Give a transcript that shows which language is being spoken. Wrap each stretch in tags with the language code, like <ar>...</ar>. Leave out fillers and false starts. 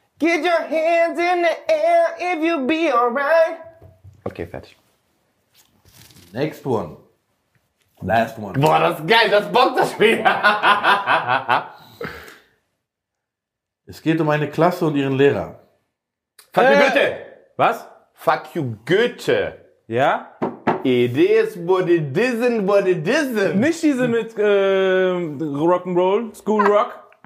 <en>Get your hands in the air if you be alright.</en> <de>Okay, fertig.</de> <en>Next one. Last one.</en> <de>Boah, das ist geil, das bockt das Spiel. Es geht um eine Klasse und ihren Lehrer.</de> <en>Fuck you, Goethe.</en> <de>Was?</de> <en>Fuck you, Goethe.</en> <de>Ja?</de> <en>It is what it isn't, what it isn't.</en> <de>Nicht diese mit Rock'n'Roll, School Rock.</de>